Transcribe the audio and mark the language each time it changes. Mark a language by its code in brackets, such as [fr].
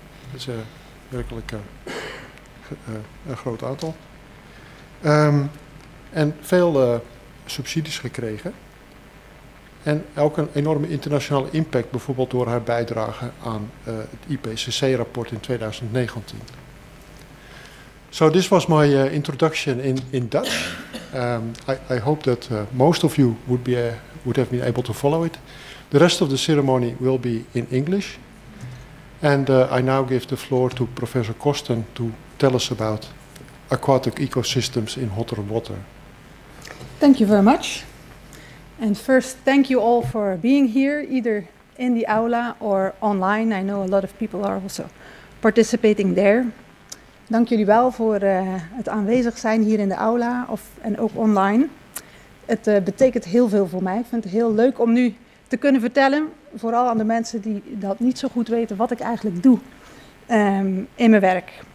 [nl] Dat is werkelijk een groot aantal. En veel subsidies gekregen. En ook een enorme internationale impact, bijvoorbeeld door haar bijdrage aan het IPCC-rapport in 2019. [en] So this was my introduction in Dutch. I hope that most of you would have been able to follow it. The rest of the ceremony will be in English. And I now give the floor to Professor Kosten to tell us about aquatic ecosystems in hotter water. Thank you very much. And first, thank you all for being here, either in the aula or online. I know a lot of people are also participating there. [nl] Dank jullie wel voor het aanwezig zijn hier in de aula en ook online. Het betekent heel veel voor mij. Ik vind het heel leuk om nu te kunnen vertellen, vooral aan de mensen die dat niet zo goed weten, wat ik eigenlijk doe in mijn werk.